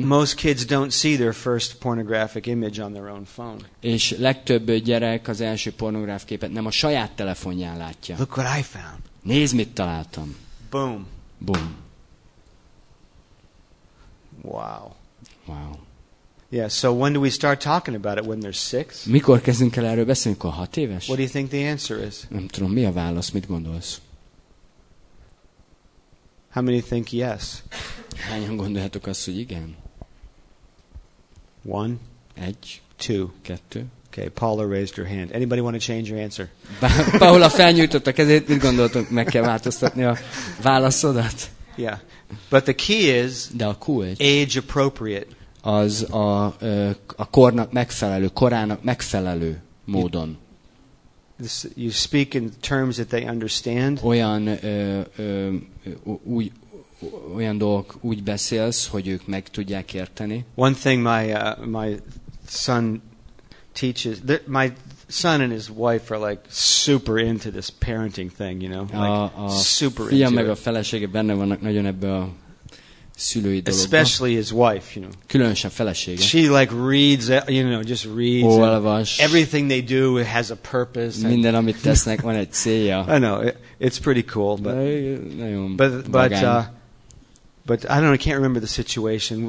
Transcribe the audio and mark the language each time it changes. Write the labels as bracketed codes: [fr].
[en] Most kids don't see their first pornographic image on their own phone. [hu] És legtöbb gyerek az első pornográf képet nem a saját telefonján látja. [en] Look what I found. [hu] Nézd, mit találtam. Boom. Boom. Wow. Wow. [en] Yeah, so when do we start talking about it? When they're six? [hu] Mikor kezdünk el erről beszélni, amikor 6 éves? [en] What do you think the answer is? [hu] Nem tudom, mi a válasz, mit gondolsz? [en] How many think yes? [hu] Hányan gondoljátok azt, hogy igen? [en] One. [hu] Egy. [en] Two. [hu] Kettő. [en] Okay, Paula raised her hand. Anybody want to change your answer? [hu] Paula felnyújtott a kezét, mit gondoltok, meg kell változtatni a válaszodat? [en] Yeah, but the key is age appropriate. [hu] Az a kornak megfelelő, korának megfelelő módon. [en] You speak in terms that they understand. [hu] Olyan dolgok úgy beszélsz, hogy ők meg tudják érteni. [en] One thing my son teaches, my son and his wife are like super into this parenting thing, you know? Super into it. [hu] Meg a felesége benne vannak nagyon ebbe a szülői dologba. [en] Especially his wife, you know. [hu] Különösen felesége. [en] She like reads, you know, just reads. [hu] Olvas. [en] Everything they do has a purpose. [hu] Minden, amit tesznek, van egy célja. [en] I know, it's pretty cool, but [hu] nagyon [en] but I don't know, I can't remember the situation.